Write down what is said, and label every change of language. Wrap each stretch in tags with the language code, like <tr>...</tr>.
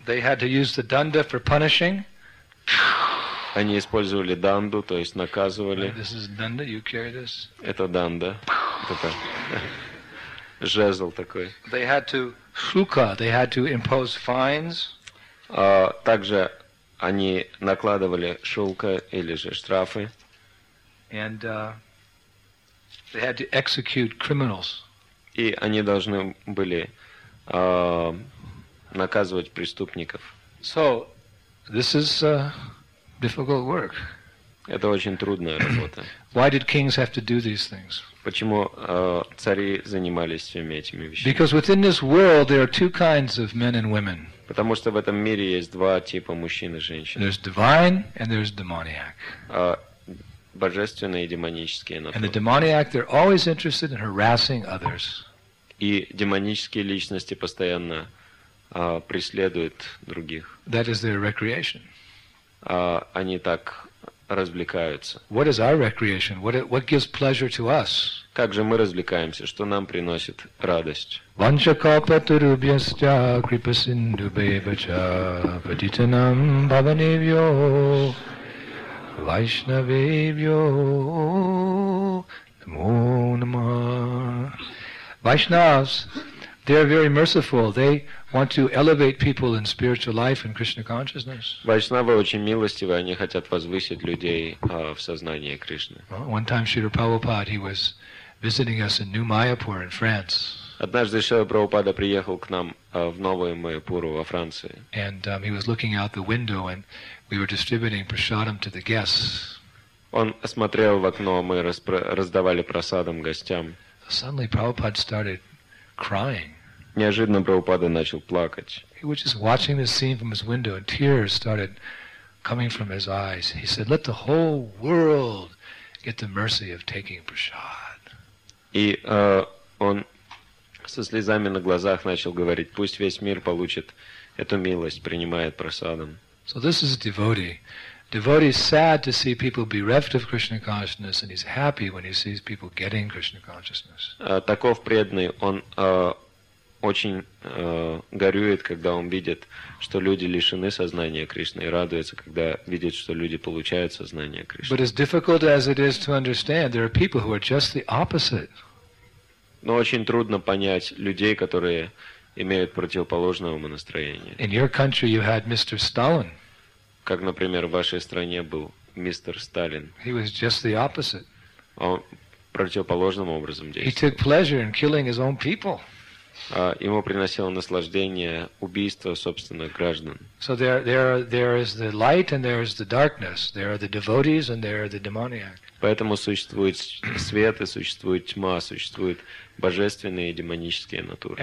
<en>They had to use the danda for punishing.</en> <ru>Они использовали данду, то есть наказывали.</ru> <en>This is danda, you carry this.</en> <ru>Это данда. Жезл такой.</ru> <en>They had to shuka, they had to impose fines.</en> <ru>Также они накладывали шелка или же штрафы.</ru> <en>And they had to execute criminals.</en> <ru>И они должны были наказывать преступников.</ru> <en>So this is difficult work.</en> <ru>Это очень трудная работа.</ru> <en>Why did kings have to do these things?</en> <ru>Почему цари занимались всеми этими вещами?</ru> <en>Because within this world there are two kinds of men and women.</en> <ru>Потому что в этом мире есть два типа мужчин и женщин.</ru> <en>There's divine and there's demoniac.</en> <ru>Божественные и демонические натуры.</ru> <en>And the demoniac, they're always interested in harassing others.</en> <ru>И демонические личности постоянно преследуют других.</ru> <en>That is their recreation.</en> <ru>Они так развлекаются.</ru> <en>What is our recreation? What gives pleasure to us?</en> <ru>Как же мы развлекаемся? Что нам приносит радость?</ru> <sa>Ванчакалпатурубьясча крипасиндубевача падитанам баванивьо вайшнавевьо намо нама.</sa> <en>Vaishnavas, they are very merciful. They want to elevate people in spiritual life and Krishna consciousness.</en> <ru>Vaishnava очень милостивы, они хотят возвысить людей в сознании Кришны.</ru> <en>One time Srila Prabhupada, he was visiting us in New Mayapur in France.</en> <ru>Однажды Шрила Прабхупада приехал к нам в Новую Майяпуру во Франции.</ru> <en>And he was looking out the window and we were distributing prasadam to the guests.</en> <ru>Он смотрел в окно, мы раздавали прасадам гостям.</ru> <en>Suddenly Prabhupada started crying.</en> <ru>Неожиданно Прабхупада начал плакать.</ru> <en>He was just watching this scene from his window, and tears started coming from his eyes. He said, "Let the whole world get the mercy of taking prasad."</en> <ru>И он со слезами на глазах начал говорить: "Пусть весь мир получит эту милость, принимает прасадом."</ru> <en>So this is a devotee. Devotee is sad to see people bereft of Krishna consciousness, and he's happy when he sees people getting Krishna consciousness.</en> <ru>Таков преданный, он очень горюет, когда он видит, что люди лишены сознания Кришны, и радуется, когда видит, что люди получают сознание Кришны.</ru> <en>But as difficult as it is to understand, there are people who are just the opposite.</en> <ru>Но очень трудно понять людей, которые имеют противоположное умонастроение.</ru> <en>In your country, you had Mr. Stalin.</en> <ru>Как, например, в вашей стране был мистер Сталин.</ru> <en>He was just the opposite.</en> <ru>Он противоположным образом действовал.</ru> <en>He took pleasure in killing his own people.</en> <ru>ему приносило наслаждение убийство собственных граждан.</ru> <en>So there is the light and there is the darkness. There are the devotees and there are the demoniac.</en> <ru>Поэтому существует свет и существует тьма, существуют божественные и демонические натуры.</ru>